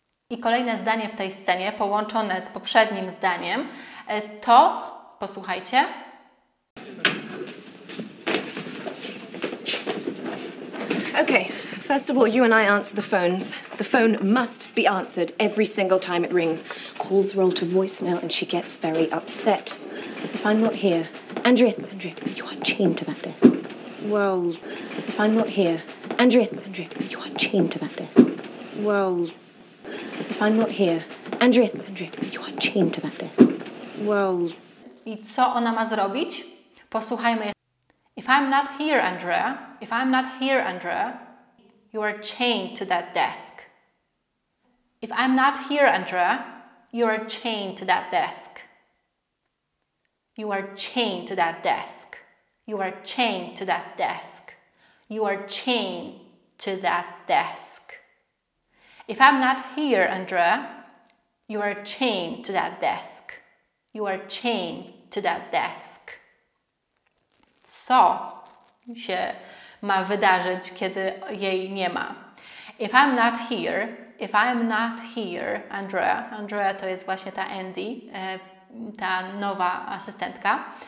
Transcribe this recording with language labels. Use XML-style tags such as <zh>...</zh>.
<pl>I kolejne zdanie w tej scenie, połączone z poprzednim zdaniem, to, posłuchajcie.</pl> <en>Okay, first of all, you and I answer the phones. The phone must be answered every single time it rings. Calls roll to voicemail and she gets very upset. If I'm not here... Andrea, you are chained to that desk. Well... If I'm not here... Andrea, you are chained to that desk. Well... If I'm not here... Andrea, you are chained to that desk. Well...</en> <pl>I co ona ma zrobić? Posłuchajmy.</pl> <en>If I'm not here, Andrea, if I'm not here, Andrea, you are chained to that desk. If I'm not here, Andrea, you are chained to that desk. You are chained to that desk. You are chained to that desk. You are chained to that desk. If I'm not here, Andrea, you are chained to that desk. You are chained to that desk.</en> <pl>Co się ma wydarzyć, kiedy jej nie ma?</pl> <en>If I'm not here, if I'm not here, Andrea.</en> <pl>Andrea to jest właśnie ta Andy, ta nowa asystentka.</pl>